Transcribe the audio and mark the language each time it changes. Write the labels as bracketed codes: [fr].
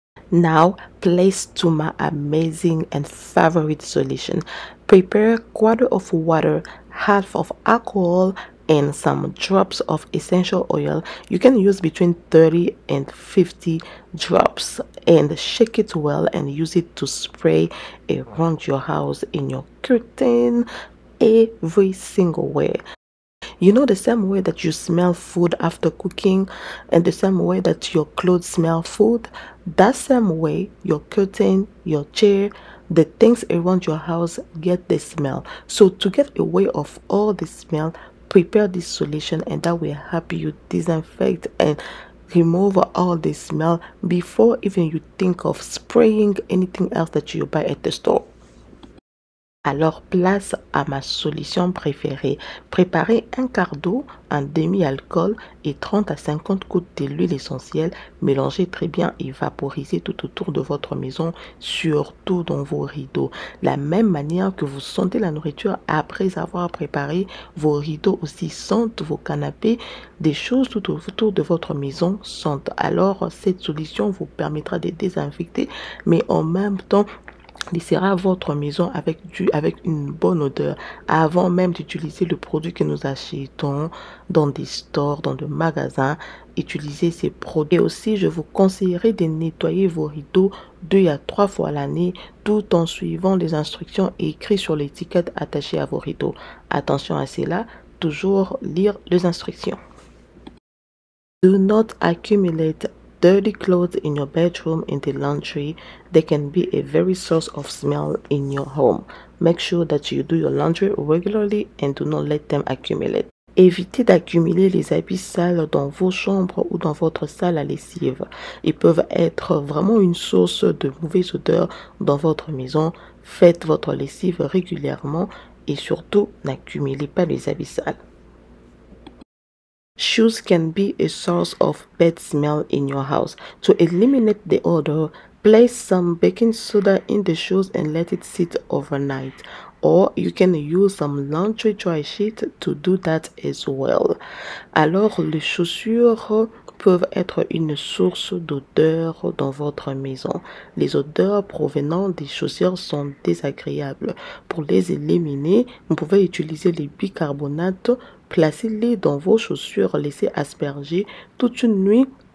[en] Now, place to my amazing and favorite solution. Prepare quarter of water, half of alcohol, and some drops of essential oil. You can use between 30 and 50 drops and shake it well and use it to spray around your house, in your curtain, every single way. You know, the same way that you smell food after cooking and the same way that your clothes smell food, that same way your curtain, your chair, the things around your house get the smell. So to get away of all the smell, prepare this solution and that will help you disinfect and remove all the smell before even you think of spraying anything else that you buy at the store. [fr] Alors, place à ma solution préférée. Préparez un quart d'eau, un demi-alcool et 30 à 50 gouttes de l'huile essentielle. Mélangez très bien et vaporisez tout autour de votre maison, surtout dans vos rideaux. La même manière que vous sentez la nourriture après avoir préparé, vos rideaux aussi sentent, vos canapés, des choses tout autour de votre maison sentent. Alors, cette solution vous permettra de désinfecter, mais en même temps, laissera votre maison avec une bonne odeur avant même d'utiliser le produit que nous achetons dans des stores, dans des magasins. Utilisez ces produits. Et aussi, je vous conseillerais de nettoyer vos rideaux 2 à 3 fois l'année tout en suivant les instructions écrites sur l'étiquette attachée à vos rideaux. Attention à cela, toujours lire les instructions. [en] Do not accumulate dirty clothes in your bedroom, in the laundry. They can be a very source of smell in your home. Make sure that you do your laundry regularly and do not let them accumulate. [fr] Évitez d'accumuler les habits sales dans vos chambres ou dans votre salle à lessive. Ils peuvent être vraiment une source de mauvaises odeurs dans votre maison. Faites votre lessive régulièrement et surtout n'accumulez pas les habits sales. [en] Shoes can be a source of bad smell in your house. To eliminate the odor, Place some baking soda in the shoes and let it sit overnight. Or you can use some laundry dry sheet to do that as well. [fr] Alors, les chaussures peuvent être une source d'odeur dans votre maison. Les odeurs provenant des chaussures sont désagréables. Pour les éliminer, vous pouvez utiliser les bicarbonates, placez-les dans vos chaussures, laissez asperger toute une nuit.